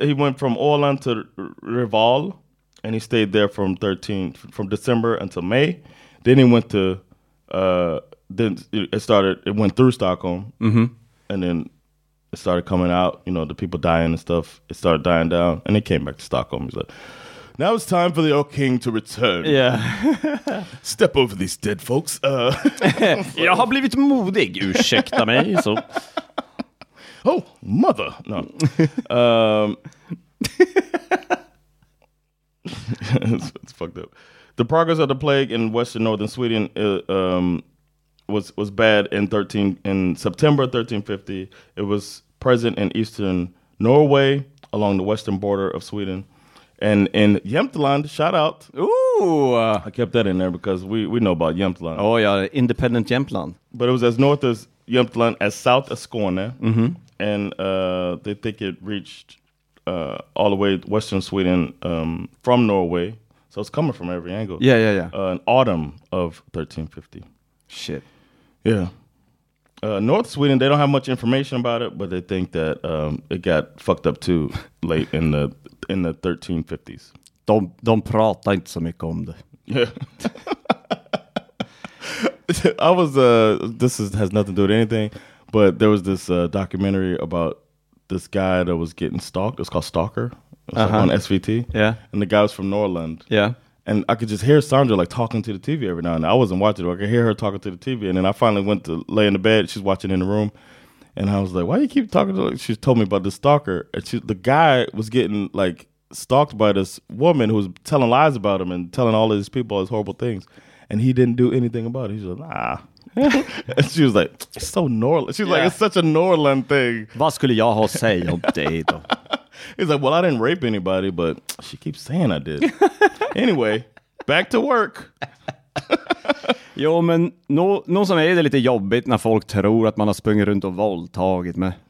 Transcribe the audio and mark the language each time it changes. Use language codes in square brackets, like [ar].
[en] He went from Åland to Reval, and he stayed there from December until May. Then he went to, it went through Stockholm, mm-hmm. and then it started coming out, you know, the people dying and stuff, it started dying down, and it came back to Stockholm. He's like, now it's time for the old king to return. Yeah. Step over these dead folks. [sv] Jag har blivit modig, ursäkta mig. Så. [en] Oh, mother. No. it's fucked up. The progress of the plague in Western Northern Sweden was bad in September 1350. It was present in Eastern Norway along the western border of Sweden, and in Jämtland. Shout out! Ooh, I kept that in there because we know about Jämtland. Oh yeah, independent Jämtland. But it was as north as Jämtland, as south as Skåne, mm-hmm. and they think it reached all the way Western Sweden from Norway. So it's coming from every angle. Yeah, yeah, yeah. In autumn of 1350. Shit. Yeah. North Sweden, they don't have much information about it, but they think that it got fucked up too late in the 1350s. [sv] De pratar inte så mycket om det. [en] Yeah. I was, this has nothing to do with anything, but there was this documentary about this guy that was getting stalked. It's called Stalker. Uh-huh. Like on SVT. Yeah. And the guy was from Norland. Yeah. And I could just hear Sandra like talking to the TV every now and then. I wasn't watching it, but I could hear her talking to the TV. And then I finally went to lay in the bed. She's watching in the room. And I was like, why do you keep talking to her? She told me about the stalker. And the guy was getting like stalked by this woman who was telling lies about him and telling all these people all these horrible things. And he didn't do anything about it. He's like, nah. And she was like, it's so Norland. She's like, it's such a Norland thing. [sv] Vad skulle jag ha sagt om dig då? [en] He's like, well, I didn't rape anybody, but she keeps saying I did. Anyway, back to work. [sv] Jo, men någon som är det lite jobbigt när folk tror att man har sprungit runt och våldtagit med.